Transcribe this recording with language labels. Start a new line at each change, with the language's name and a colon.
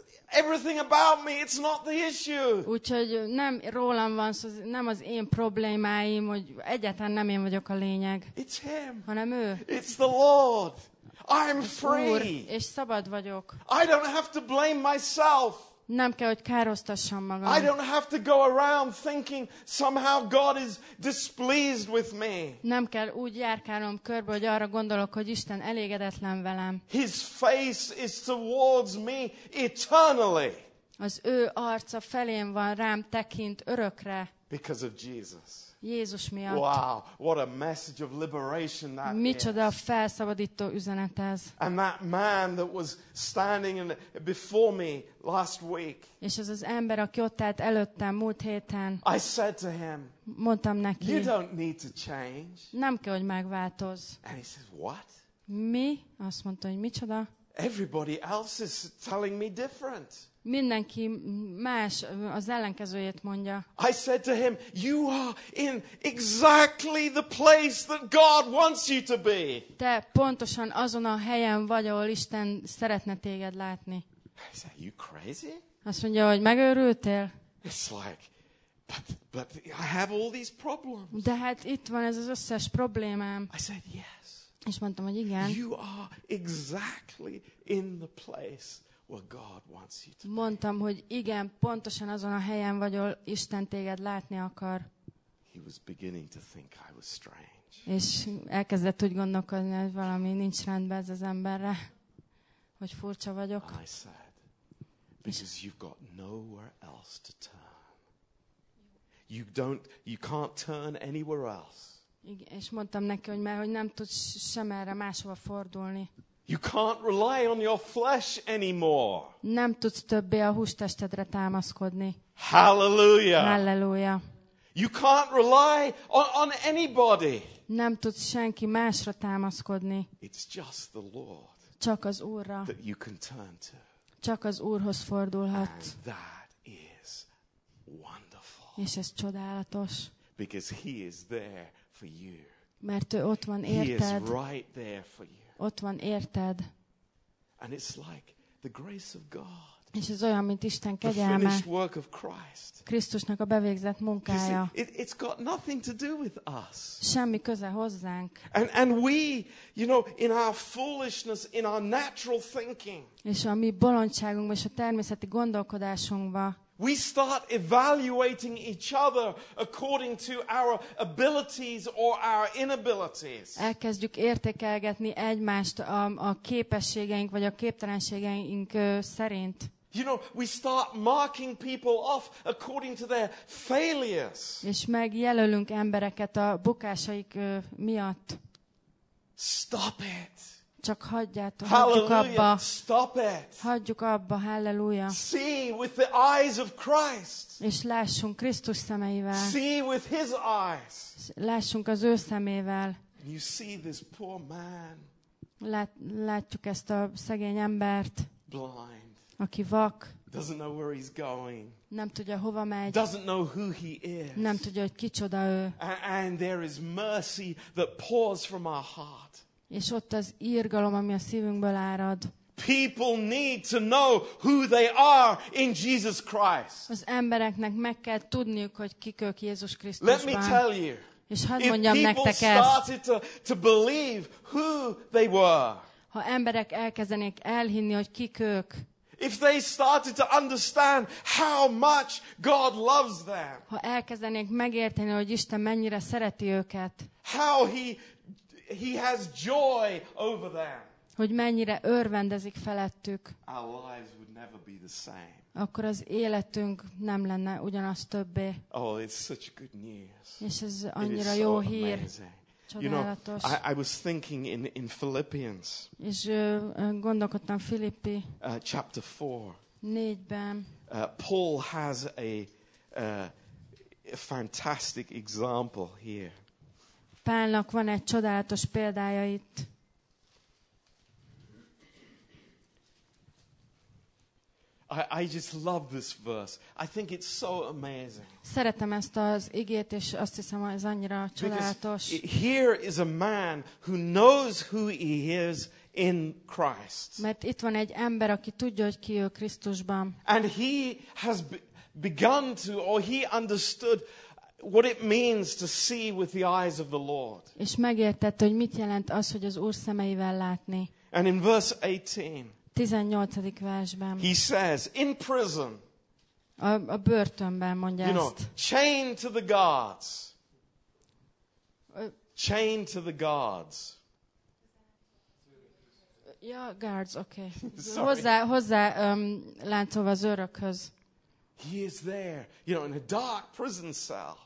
English: Everything about me, it's not the issue.
Hungarian: Úgyhogy nem rólam van szó, nem az én problémáim, hogy egyáltalán nem én vagyok a lényeg.
English: It's him.
Hungarian: Hanem ő.
English: It's the Lord. I'm free.
Hungarian: Úr, és szabad vagyok.
English: I don't have to blame myself.
Hungarian: Nem kell, hogy károsztassam magam.
English: I don't have to go around thinking somehow God is displeased with me.
Hungarian: Nem kell úgy járkálnom körbe, hogy arra gondolok, hogy Isten elégedetlen velem.
English: His face is towards me eternally.
Hungarian: Az ő arca felém van, rám tekint örökre.
English: Because of Jesus.
Hungarian: Jézus miatt.
English: Wow, what a message of liberation that is.
Hungarian: Micsoda felszabadító üzenet ez.
English: And that man that was standing before me last week.
Hungarian: És ez az ember, aki ott állt előttem múlt héten.
English: I said to him.
Hungarian: Mondtam neki.
English: You don't need to change.
Hungarian: Nem kell, hogy megváltozz.
English: And he says, what?
Hungarian: Mi? Azt mondta, hogy micsoda?
English: Everybody else is telling me different.
Hungarian: Mindenki más az ellenkezőjét mondja.
English: I said to him, you are in exactly the place that God wants you to be.
Hungarian: Te pontosan azon a helyen vagy, ahol Isten szeretne téged látni.
English: I said, are you crazy?
Hungarian: Azt mondja, hogy megőrültél?
English: It's like, but I have all these problems.
Hungarian: De hát itt van ez az összes problémám.
English: I said, yes.
Hungarian: És mondtam, hogy igen.
English: You are exactly in the place where God wants you to be.
Hungarian: Mondtam, hogy igen, pontosan azon a helyen vagy, ahol Isten téged látni akar.
English: He was beginning to think I was strange.
Hungarian: És elkezdett úgy gondolkozni, hogy valami nincs rendben ez az emberre, hogy furcsa vagyok.
English: I said, because you've got nowhere else to turn. You can't turn anywhere else.
Hungarian: És mondtam neki, hogy mert hogy nem tudsz sem erre máshova fordulni.
English: You can't rely on your flesh anymore.
Hungarian: Nem tudsz többé a hústestedre támaszkodni.
English: Hallelujah.
Hungarian: Hallelujah.
English: You can't rely on anybody.
Hungarian: Nem tudsz senki másra támaszkodni.
English: It's just the Lord.
Hungarian: Csak az Úrra.
English: That you can turn to.
Hungarian: Csak az Úrhoz fordulhatsz.
English: And that is wonderful.
Hungarian: És ez csodálatos.
English: Because he is there for you.
Hungarian: Mert ő ott van érted.
English: He is right there for you.
Hungarian: Ott van érted.
English: And it's like the grace of God.
Hungarian: És ez olyan, mint Isten kegyelme.
English: The finished work of Christ.
Hungarian: Krisztusnak a bevégzett munkája.
English: It's got nothing to do with us.
Hungarian: Semmi köze hozzánk.
English: And we, you know, in our foolishness, in our natural thinking.
Hungarian: És a mi bolondságunkba, és a természeti gondolkodásunkba.
English: We start evaluating each other according to our abilities or our inabilities.
Hungarian: Elkezdjük értékelgetni egymást a képességeink vagy a képtelenségeink szerint.
English: You know, we start marking people off according to their failures.
Hungarian: És megjelölünk embereket a bukásaik miatt.
English: Stop it.
Hungarian: Csak hagyjátok, hagyjuk abba.
English: Stop it.
Hungarian: Hagyjuk abba, hallelujah.
English: See with the eyes of Christ.
Hungarian: És lássunk Krisztus szemeivel.
English: See with his eyes.
Hungarian: Lássunk az ő szemével.
English: And you see this poor man.
Hungarian: Látjuk ezt a szegény embert.
English: Blind.
Hungarian: Aki vak.
English: Doesn't know where he's going.
Hungarian: Nem tudja, hova megy.
English: Doesn't know who he is.
Hungarian: Nem tudja, hogy kicsoda ő.
English: And there is mercy that pours from our heart.
Hungarian: És ott az irgalom, ami a szívünkből árad.
English: People need to know who they are in Jesus Christ.
Hungarian: Az embereknek meg kell tudniuk, hogy kik ők Jézus Krisztusban.
English: Let me tell you.
Hungarian: És hadd mondjam nektek ezt.
English: If people started to believe who they were.
Hungarian: Ha emberek elkezdenék elhinni, hogy kik ők.
English: If they started to understand how much God loves them.
Hungarian: Ha elkezdenék megérteni, hogy Isten mennyire szereti őket.
English: How he has joy over them.
Hungarian: Hogy mennyire örvendezik felettük.
English: Our lives would never be the same.
Hungarian: Akkor az életünk nem lenne ugyanaz többé.
English: Oh, it's such good news.
Hungarian: És ez annyira jó hír.
English: You know, I was thinking in Philippians.
Hungarian: És gondolkodtam Filippi.
English: Chapter 4.
Hungarian: Négyben.
English: Paul has a fantastic example here.
Hungarian: Pálnak van egy csodálatos példája itt.
English: I just love this verse. I think it's so amazing.
Hungarian: Szeretem ezt az igét, és azt hiszem, ez annyira csodálatos.
English: Here is a man who knows who he is in Christ.
Hungarian: Mert itt van egy ember, aki tudja, hogy ki ő Krisztusban.
English: And he has begun to, or he understood what it means to see with the eyes of the Lord.
Hungarian: És megértette, hogy mit jelent az, hogy az Úr szemeivel látni.
English: And in verse 18.
Hungarian: 18. versben.
English: He says, in prison.
Hungarian: A börtönben mondja ezt.
English: You know, chained to the guards. Chained to the guards. Ja, guards, okay.
Hungarian: Hozzá láncolva az örökhöz.
English: He is there, you know, in a dark prison cell.